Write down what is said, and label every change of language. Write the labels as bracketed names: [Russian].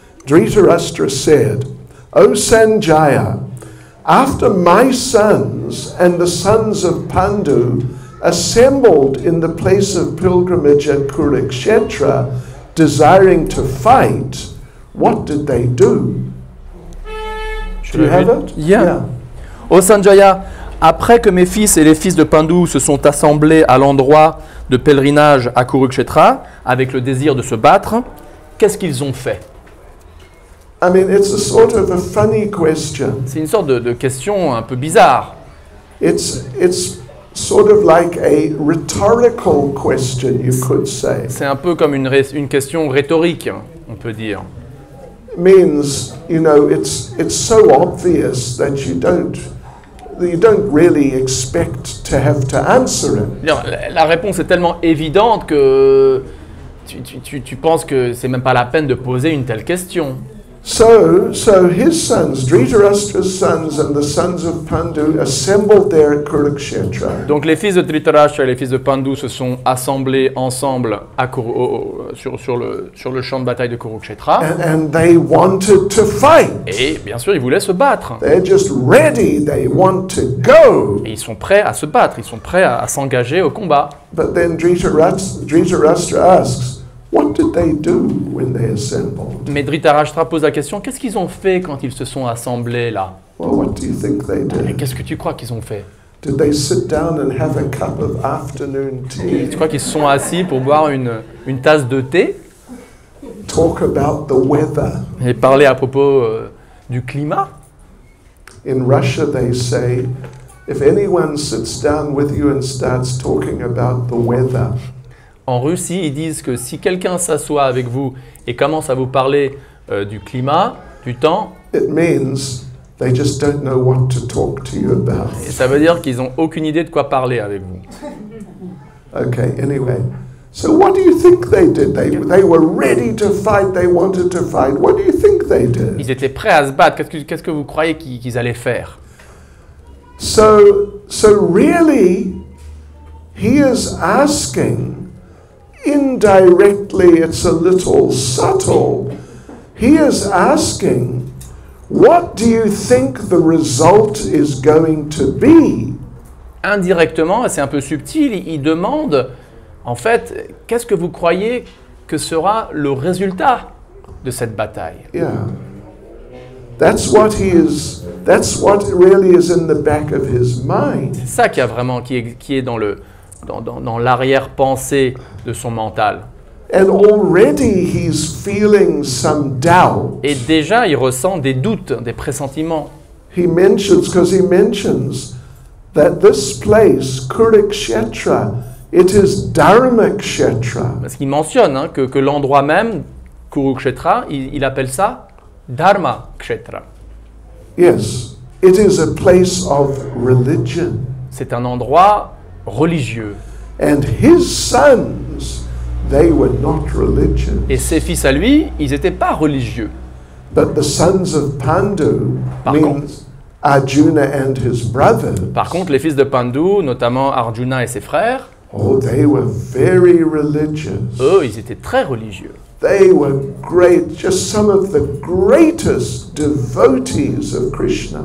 [English] Dhritarashtra said, O Sanjaya, after my sons and the sons of Pandu assembled in the place of pilgrimage at Kurukshetra, desiring to fight, what did they do? Do you have it? [French] Yeah. O Sanjaya, après que mes fils et les fils de Pandu se sont assemblés à l'endroit de pèlerinage à Kurukshetra avec le désir de se battre, qu'est-ce qu'ils ont fait? [English] I mean, it's a sort of a funny question. [French] C'est une sorte de question un peu bizarre. [English] It's sort of like a rhetorical question, you could say. [French] C'est un peu comme une question rhétorique, on peut dire. [English] Means, you know, it's so obvious that you don't really expect to have to answer it. [French] Non, la réponse est tellement évidente que tu penses que c'est même pas la peine de poser une telle question. [English] So his sons, Dhritarashtra's sons and the sons of Pandu assembled there at Kurukshetra. [French] Donc les fils de Dhritarashtra et les fils de Pandu se sont assemblés ensemble sur le champ de bataille de Kurukshetra. [English] And they wanted to fight. [French] Et bien sûr, ils voulaient se battre. [English] They're just ready, they want to go. [French] Et ils sont prêts à se battre, ils sont prêts à s'engager au combat. [English] But then Dhritarashtra asks, what did they do when they assembled? [French] Mais Dhritarashtra pose la question, qu'est-ce qu'ils ont fait quand ils se sont assemblés là? [English] Well, what do you think they did? [French] Et qu'est-ce que tu crois qu'ils ont fait? [English] Did they sit down and have a cup of afternoon tea? [French] Tu crois qu'ils se sont assis pour boire une tasse de thé? [English] Talk about the weather. [French] Et parler à propos du climat? [English] In Russia they say if anyone sits down with you and starts talking about the weather. [French] En Russie, ils disent que si quelqu'un s'assoit avec vous et commence à vous parler du climat, du temps, [English] it means They just don't know what to talk to you about. [French] Et ça veut dire qu'ils n'ont aucune idée de quoi parler avec vous. [English] Okay, anyway. So what do you think they did? They were ready to fight, they wanted to fight. What do you think they did? [French] Ils étaient prêts à se battre. Qu'est-ce que vous croyez qu'ils allaient faire? [English] So really he is asking indirectly, it's a little subtle. He is asking, what do you think the result is going to be? [French] Indirectement, c'est un peu subtil, il demande en fait, qu'est-ce que vous croyez que sera le résultat de cette bataille? [English] Yeah. That's what really is in the back of his mind. [French] C'est ça qui a vraiment qui est dans l'arrière-pensée de son mental. [English] And already he's feeling some doubt. [French] Et déjà, il ressent des doutes, des pressentiments. [English] He mentions, because he mentions that this place, Kurukshetra, it is Dharmakshetra. [French] Parce qu'il mentionne hein, que l'endroit même, Kurukshetra, il appelle ça Dharmakshetra. [English] Yes, it is a place of religion. [French] C'est un endroit religieux. [English] And his sons, they were not religious. [French] Et ses fils à lui, ils n'étaient pas religieux. [English] But the sons of Pandu means Arjuna and his brothers. [French] Par contre, les fils de Pandu, notamment Arjuna et ses frères, [English] oh, they were very religious. [French] Eux, ils étaient très religieux. [English] They were great, just some of the greatest devotees of Krishna.